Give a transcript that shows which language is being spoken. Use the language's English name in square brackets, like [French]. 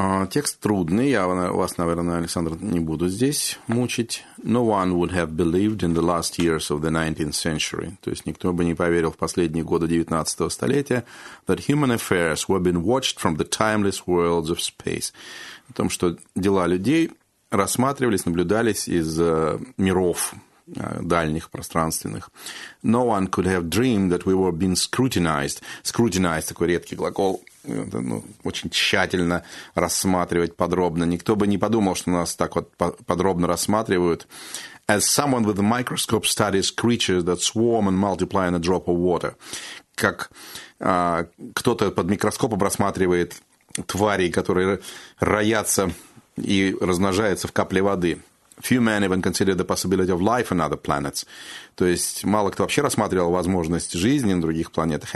[Russian] Текст трудный, я вас, наверное, Александр, не буду здесь мучить. [English] No one would have believed in the last years of the 19th century. [Russian] То есть никто бы не поверил в последние годы 19-го столетия, [English] that human affairs were being watched from the timeless worlds of space. [Russian] О том, что дела людей рассматривались, наблюдались из миров дальних, пространственных. [English] No one could have dreamed that we were being scrutinized. [Russian] Scrutinized – такой редкий глагол. Это, ну, очень тщательно рассматривать подробно. Никто бы не подумал, что нас так вот подробно рассматривают. [English] As someone with a microscope studies creatures that swarm and multiply in a drop of water. [Russian] Как кто-то под микроскопом рассматривает твари, которые роятся и размножаются в капле воды. [English] Few men even considered the possibility of life on other planets. [Russian] То есть мало кто вообще рассматривал возможность жизни на других планетах.